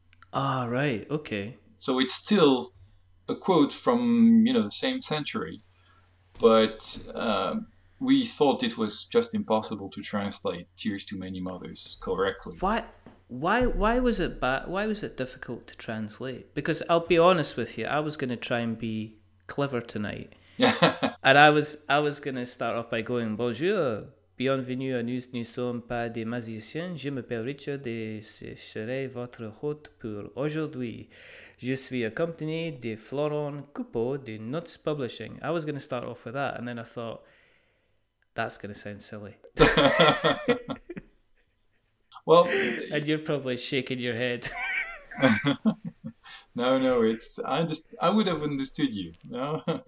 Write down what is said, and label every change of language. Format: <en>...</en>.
<en>So it's still a quote from, the same century, but we thought it was just impossible to translate Tears to Many Mothers correctly. Why was it bad? Why was it difficult to translate? Because I'll be honest with you, I was going to try and be clever tonight, Yeah. and I was going to start off by going bonjour.</en> <fr>Bienvenue à nous, nous sommes pas des magiciens. Je m'appelle Richard et je serai votre hôte pour aujourd'hui. Je suis accompagné de Florent Coupeau de Nuts Publishing.</fr> <en>I was going to start off with that, and then I thought, that's going to sound silly. Well, And you're probably shaking your head. no, it's I would have understood you, no?</en>